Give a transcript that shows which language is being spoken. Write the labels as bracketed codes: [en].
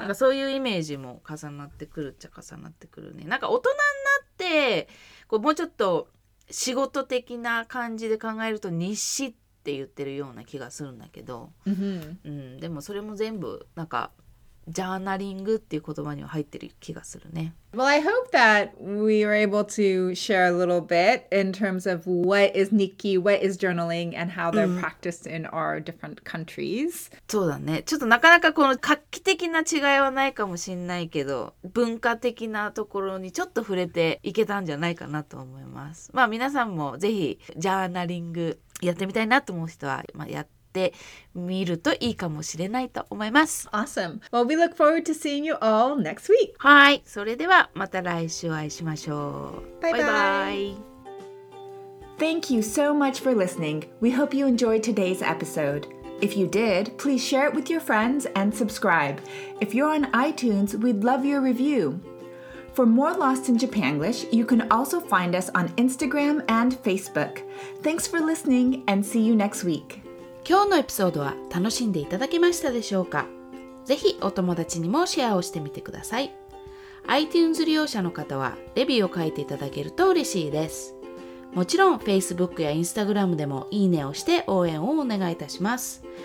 [ja] なんかそういうイメージも重なってくるっちゃ重なってくるね。なんか大人になってこうもうちょっと仕事的な感じで考えると日誌って言ってるような気がするんだけど、 mm-hmm. うん、でもそれも全部なんかジャーナリングっていう言葉には入ってる気がするね。 [en] Well, I hope that we are able to share a little bit in terms of what is 日記, what is journaling, and how they're practiced in our different countries. [ja] そうだね。ちょっとなかなかこの画期的な違いはないかもしれないけど、文化的なところにちょっと触れていけたんじゃないかなと思います。まあ皆さんもぜひジャーナリングやってみたいなと思う人は、まあ、やってで見るといいかもしれないと思います。 [en] Awesome. Well, we look forward to seeing you all next week. [ja] はい、それではまた来週お会いしましょう。 [en] Bye bye. Thank you so much for listening. We hope you enjoyed today's episode. If you did, please share it with your friends and subscribe. If you're on iTunes, we'd love your review. For more Lost in Japanglish, you can also find us on Instagram and Facebook. Thanks for listening and see you next week. [ja] 今日のエピソードは楽しんでいただけましたでしょうか。ぜひお友達にもシェアをしてみてください。 iTunes 利用者の方はレビューを書いていただけると嬉しいです。もちろん Facebook や Instagram でもいいねをして応援をお願いいたします。